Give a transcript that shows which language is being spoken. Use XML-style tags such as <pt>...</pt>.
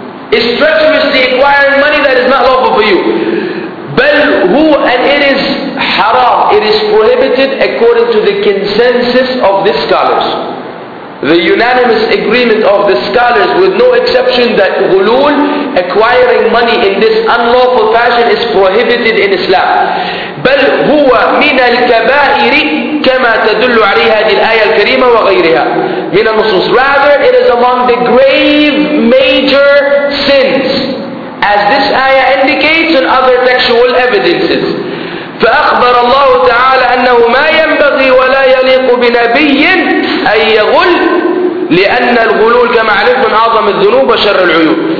<en>It's treacherously acquiring money that is not lawful for you. Bal hu, and it is haram. It is prohibited according to the consensus of the scholars. The unanimous agreement of the scholars, with no exception, that ghulul, acquiring money in this unlawful fashion, is prohibited in Islam.</en> <ar>بل هو من الكبائر كما تدل عليه هذه الآية الكريمة وغيرها من النصوص.</ar> <en>Rather, it is among the grave major sins, as this ayah indicates and other textual evidences.</en> <ar>فأخبر الله تعالى أنه ما ينبغي ولا يليق بنبي أن يغل لأن الغلول كما عرف من أعظم الذنوب وشر العيوب.</ar>